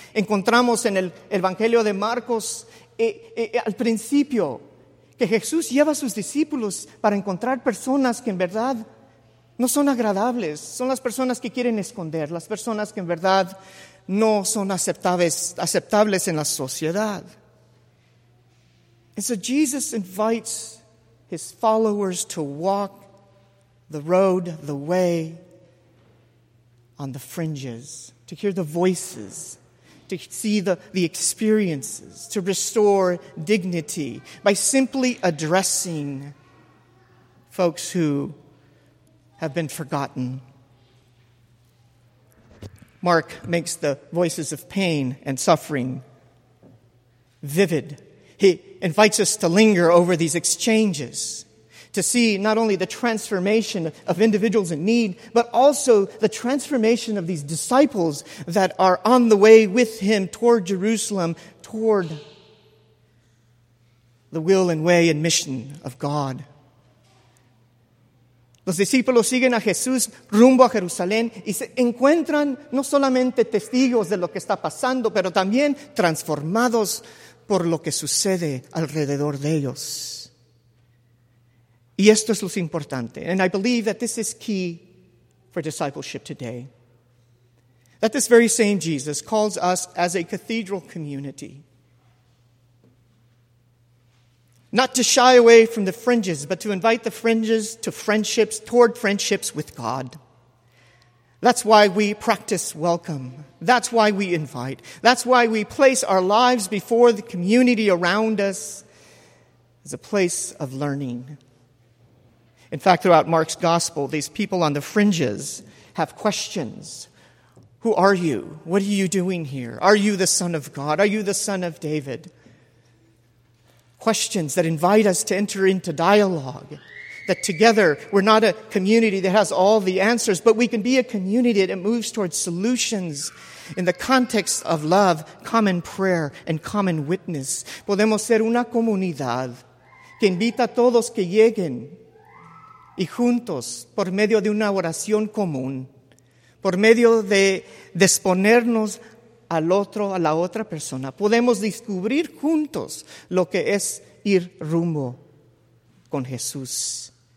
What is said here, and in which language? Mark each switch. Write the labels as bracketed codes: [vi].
[es] Encontramos en el Evangelio de Marcos, al principio, que Jesús lleva a sus discípulos para encontrar personas que en verdad no son agradables. Son las personas que quieren esconder, las personas que en verdad no son aceptables en la sociedad. [en] And so Jesus invites his followers to walk the road, the way, on the fringes, to hear the voices, to see the experiences, to restore dignity by simply addressing folks who have been forgotten. Mark makes the voices of pain and suffering vivid. He invites us to linger over these exchanges, to see not only the transformation of individuals in need, but also the transformation of these disciples that are on the way with him toward Jerusalem, toward the will and way and mission of God. [es] Los discípulos siguen a Jesús rumbo a Jerusalén y se encuentran no solamente testigos de lo que está pasando, pero también transformados por lo que sucede alrededor de ellos. Y esto es lo importante. [en] And I believe that this is key for discipleship today. That this very same Jesus calls us as a cathedral community not to shy away from the fringes, but to invite the fringes to friendships, toward friendships with God. That's why we practice welcome. That's why we invite. That's why we place our lives before the community around us as a place of learning. In fact, throughout Mark's gospel, these people on the fringes have questions. Who are you? What are you doing here? Are you the Son of God? Are you the Son of David? Questions that invite us to enter into dialogue, that together we're not a community that has all the answers, but we can be a community that moves towards solutions in the context of love, common prayer, and common witness. [es] Podemos ser una comunidad que invita a todos que lleguen y juntos, por medio de una oración común, por medio de disponernos al otro, a la otra persona. Podemos descubrir juntos lo que es ir rumbo con Jesús.